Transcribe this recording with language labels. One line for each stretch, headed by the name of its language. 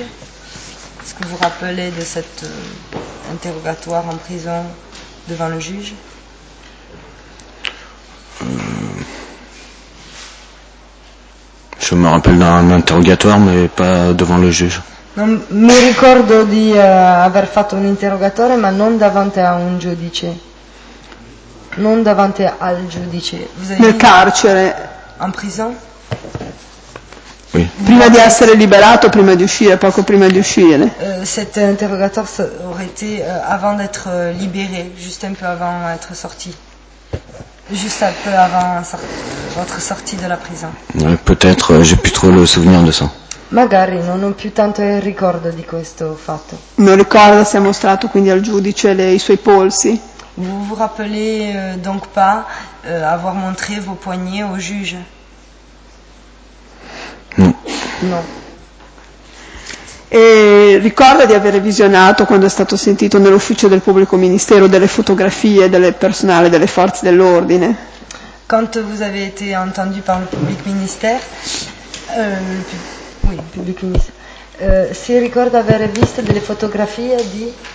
French: Est-ce que vous rappelez de cet interrogatoire en prison devant le juge? Je me rappelle d'un interrogatoire, mais pas devant le juge.
Italian: Non, mi ricordo di aver fatto un interrogatorio, ma non davanti a un giudice. Non davanti al giudice.
French: Vous avez
Italian: nel carcere.
French: En prison? Oui.
Italian: Prima di essere liberato, prima di uscire, poco prima di uscire.
French: Cet interrogatoire aurait été avant d'être libéré, juste un peu avant d'être sorti. Juste un peu avant votre sortie de la prison. Ouais, peut-être, j'ai plus trop le souvenir de ça.
Italian: Magari, non ho più tanto il ricordo di questo fatto. Non ricorda se ha mostrato quindi al giudice i suoi polsi?
French: Vous vous rappelez donc pas avoir montré vos poignets au juge?
Italian: No. E ricorda di aver visionato quando è stato sentito nell'ufficio del pubblico ministero delle fotografie del personale delle forze dell'ordine? Quando
French: vous avez été entendu par le public ministère, oui, public ministère,
Italian: si ricorda aver visto delle fotografie di